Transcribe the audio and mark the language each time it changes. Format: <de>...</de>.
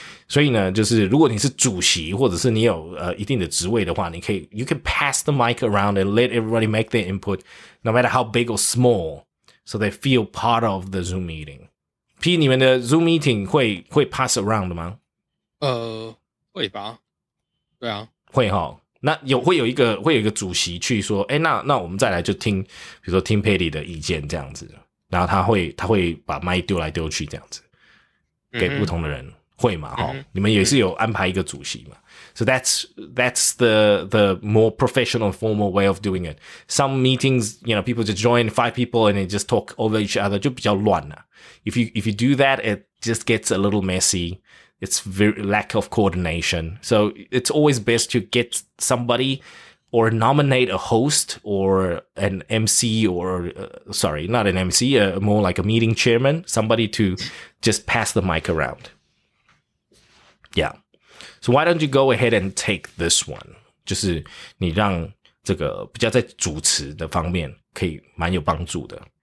<zh>所以呢，就是如果你是主席，或者是你有一定的职位的话，你可以</zh> <en>you can pass the mic around and let everybody make their input, no matter how big or small, so they feel part of the Zoom meeting.</en> <zh>P, 你们的 Zoom meeting 会 pass around 吗？会吧。对啊，会哈。那会有一个主席去说，哎，那我们再来就听，比如说听 Patty 的意见这样子，然后他会把麦丢来丢去这样子，给不同的人。 Mm-hmm. 会嘛，齁，你们也是有安排一个主席嘛。</zh> <en>So that's the more professional formal way of doing it. Some meetings, you know, people just join five people and they just talk over each other,</en> <zh>就比较乱啦。</zh> <en>If you do that, it just gets a little messy. It's very lack of coordination. So it's always best to get somebody or nominate a host or an MC or, sorry, not an MC, more like a meeting chairman, somebody to just pass the mic around. Yeah. So why don't you go ahead and take this one?</en> <zh>就是你让这个比较在主持的方面可以蛮有帮助的。</zh>